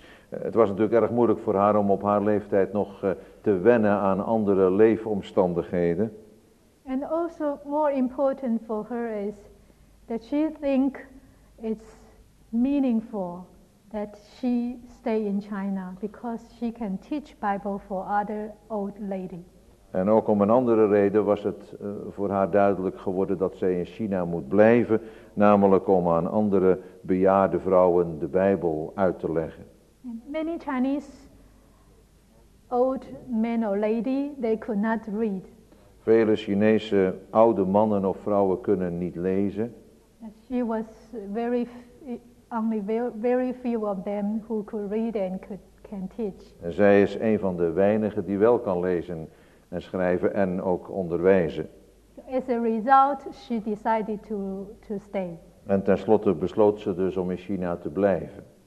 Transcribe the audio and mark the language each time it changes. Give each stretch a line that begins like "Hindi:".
Dutch: Het was natuurlijk erg moeilijk voor haar om op haar leeftijd nog te wennen aan andere leefomstandigheden.
English: And also more important for her is that she think it's meaningful that she stay in China because she can teach Bible for other old lady.
Dutch: En ook om een andere reden was het voor haar duidelijk geworden dat zij in China moet blijven, namelijk om aan andere bejaarde vrouwen de Bijbel uit te leggen.
English: Many Chinese old men or lady, they could not read.
Dutch: Vele Chinese oude mannen of vrouwen kunnen niet lezen.
English: She was very only very few of them who could read and could can teach.
Dutch: En zij is een van de weinigen die wel kan lezen en schrijven en ook onderwijzen.
English: As a result, she decided to stay.
Dutch: En tenslotte besloot ze dus om in China te blijven.